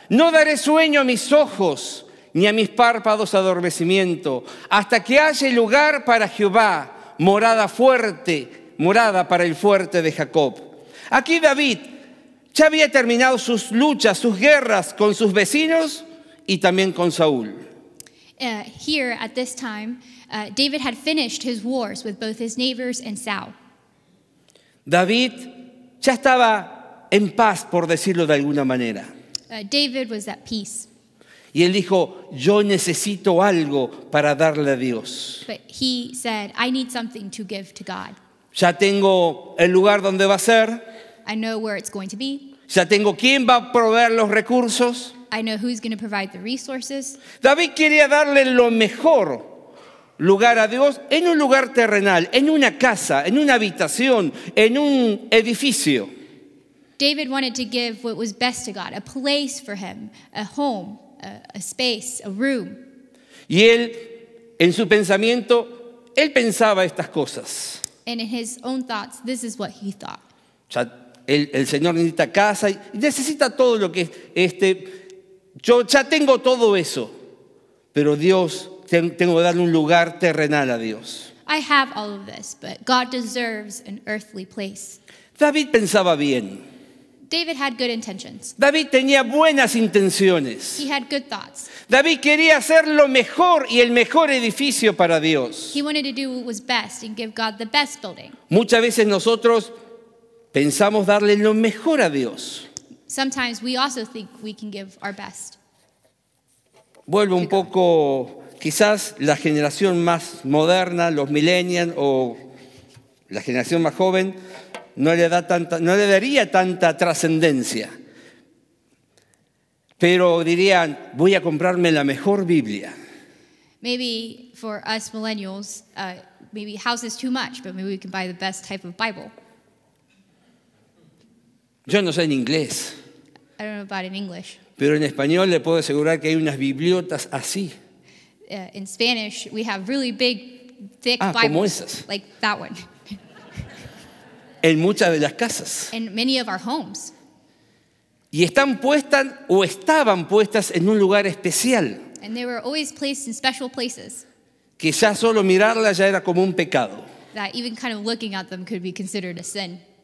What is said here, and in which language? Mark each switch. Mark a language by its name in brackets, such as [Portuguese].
[Spanish] No daré sueño a mis ojos, ni a mis párpados adormecimiento, hasta que haya lugar para Jehová, morada fuerte, morada para el fuerte de Jacob. Aquí David ya había terminado sus luchas, sus guerras con sus vecinos y también con Saúl. [English] Here at this time, David had finished his wars with both his neighbors and Saul. [Spanish] David ya estaba en paz, por decirlo de alguna manera. [English] David was at peace. [Spanish] Y él dijo, yo necesito algo para darle a Dios. [English] But he said, I need something to give to God. [Spanish] Ya tengo el lugar donde va a ser. [English] I know where it's going to be. [Spanish] Ya tengo quién va a proveer los recursos. [English] I know who's going to provide the resources. [Spanish] David quería darle lo mejor lugar a Dios en un lugar terrenal, en una casa, en una habitación, en un edificio. [English] David wanted to give what was best to God, a place for him, a home, a space, a room. [Spanish] Y él, en su pensamiento, él pensaba estas cosas. [English] And in his own thoughts, this is what he thought. [Spanish] Ya, el Señor necesita casa y necesita todo lo que yo ya tengo todo eso, pero Dios, tengo que darle un lugar terrenal a Dios. [English] I have all of this, but God deserves an earthly place. [Spanish] David pensaba bien. [English] David had good intentions. [Spanish] David tenía buenas intenciones. [English] He had good thoughts. [Spanish] David quería hacer lo mejor y el mejor edificio para Dios. [English] He wanted to do what was best and give God the best building. [Spanish] Muchas veces nosotros pensamos darle lo mejor a Dios. [English] Sometimes we also think we can give our best. [Spanish] Vuelvo un poco, quizás la generación más moderna, los millennials o la generación más joven, no le daría tanta trascendencia. Pero dirían, voy a comprarme la mejor Biblia. [English] Maybe for us millennials, maybe house is too much, but maybe we can buy the best type of Bible. [Spanish] Yo no sé en inglés. [English] I don't know about in English. [Spanish] Pero en español le puedo asegurar que hay unas bibliotas así. [English] In Spanish, we have really big, thick Bibles, like that one. [Spanish] En muchas de las casas. [English] In many of our homes. [Spanish] Y están puestas o estaban puestas en un lugar especial. [English] And they were always placed in special places. [Spanish] Que ya solo mirarlas ya era como un pecado. [English] That even kind of looking at them could be considered a sin.